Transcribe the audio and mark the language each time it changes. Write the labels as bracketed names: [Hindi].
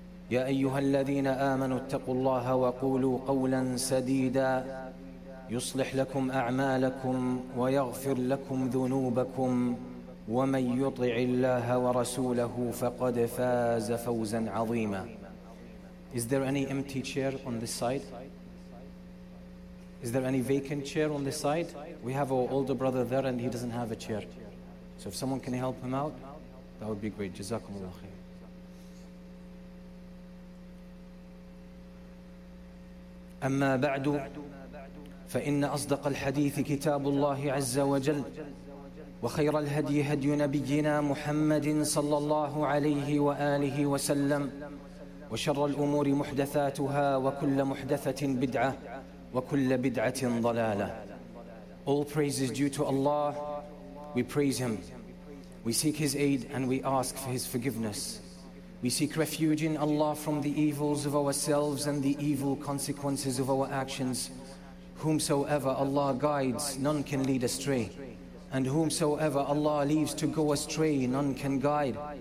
[Arabic] يا أيها الذين آمنوا اتقوا الله وقولوا قولا سديدا، يصلح لكم أعمالكم ويغفر لكم ذنوبكم، ومن يطع الله ورسوله فقد فاز فوزا عظيما. [English] Is there any empty chair on this side? Is there any vacant chair on this side? We have our older brother there and he doesn't have a chair. So if someone can help him out, that would be great. Jazakumullah khair. [Arabic] أما بعد فإن أصدق الحديث كتاب الله عز وجل، وخير الهدي هدي نبينا محمد صلى الله عليه وآله وسلم، وشر الأمور محدثاتها، وكل محدثة بدعة، وكل بدعة ضلالة. [English] All praise is due to Allah. We praise Him. We seek His aid and we ask for His forgiveness. We seek refuge in Allah from the evils of ourselves and the evil consequences of our actions. Whomsoever Allah guides, none can lead astray. And whomsoever Allah leaves to go astray, none can guide.